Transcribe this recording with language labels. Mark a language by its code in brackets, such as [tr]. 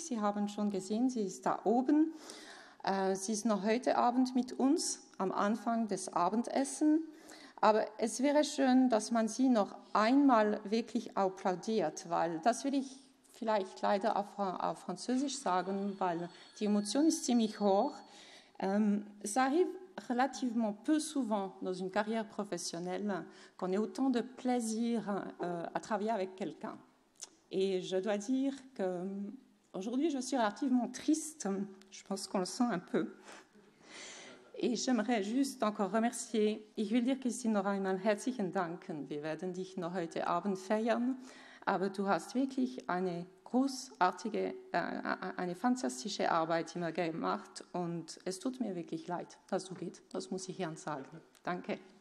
[de] Sie haben schon gesehen, sie ist da oben. Sie ist noch heute Abend mit uns am Anfang des Abendessens. Aber es wäre schön, dass man sie noch einmal wirklich applaudiert, weil das will ich vielleicht leider auf Französisch sagen, weil die Emotion ist ziemlich hoch. [fr] Es arrive relativement peu souvent dans une carrière professionnelle qu'on ait autant de plaisir à travailler avec quelqu'un. Et je dois dire que aujourd'hui je suis relativement triste, je pense qu'on le sent un peu. Et j'aimerais juste encore remercier. [de] Ich will dir, Christine, noch einmal herzlichen danken. Wir werden dich noch heute Abend feiern. Aber du hast wirklich eine großartige, eine fantastische Arbeit immer gemacht. Und es tut mir wirklich leid, dass du gehst. Das muss ich Ihnen sagen. Danke.